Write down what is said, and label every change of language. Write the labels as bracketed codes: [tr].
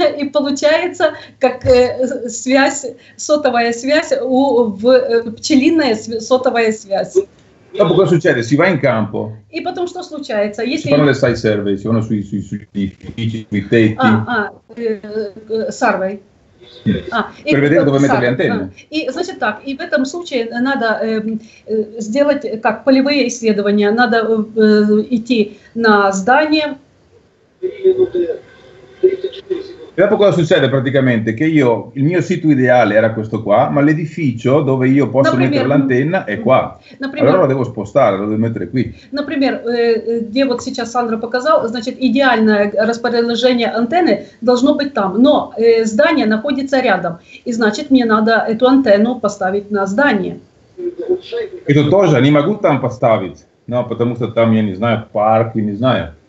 [ru] И получается как связь сотовая связь в пчелиная сотовая связь. [it] Dopo cosa succede? Si va in campo. [ru] И потом что случается? [it] Если si fanno le site survey, si fanno sui edifici, sui tetti. [en] Survey. [it] Per vedere dove mettere le antenne. [ru] И значит так, и в этом случае надо сделать как полевые исследования, надо идти на здание. [it] E dopo cosa succede praticamente? Che io, il mio sito ideale era questo qua, ma l'edificio dove io posso mettere l'antenna è qua. Allora lo devo spostare, lo devo mettere qui. [ru] Например, где вот сейчас Сандра показал, значит, идеальное расположение антенны должно быть там. Но здание находится рядом, и значит, мне надо эту антенну поставить на здание. Это тоже, не могу там поставить, no, потому что там, я не знаю, парк, я не знаю.